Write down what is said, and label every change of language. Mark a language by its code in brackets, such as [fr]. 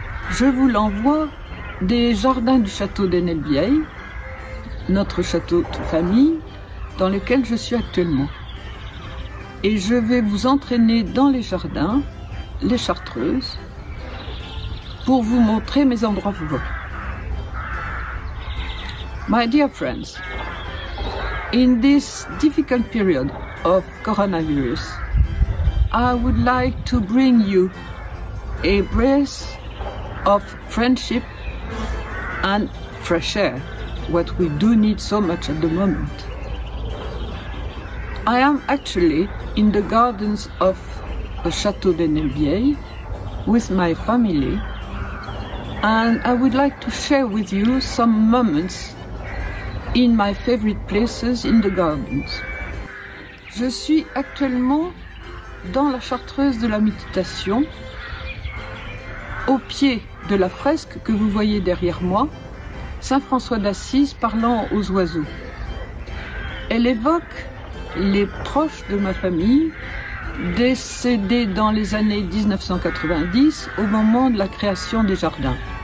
[fr] Je vous l'envoie des jardins du château d'Ennelbieille, notre château de famille, dans lequel je suis actuellement. Et je vais vous entraîner dans les jardins, les chartreuses, pour vous montrer mes endroits favoris. [en] My dear friends, in this difficult period of coronavirus, I would like to bring you a breath of friendship and fresh air, what we do need so much at the moment. I am actually in the gardens of the Château d'Ennelbieille with my family, and I would like to share with you some moments in my favorite places in the gardens. [fr] Je suis actuellement dans la chartreuse de la méditation, au pied de la fresque que vous voyez derrière moi, Saint François d'Assise parlant aux oiseaux. Elle évoque les proches de ma famille décédés dans les années 1990 au moment de la création des jardins.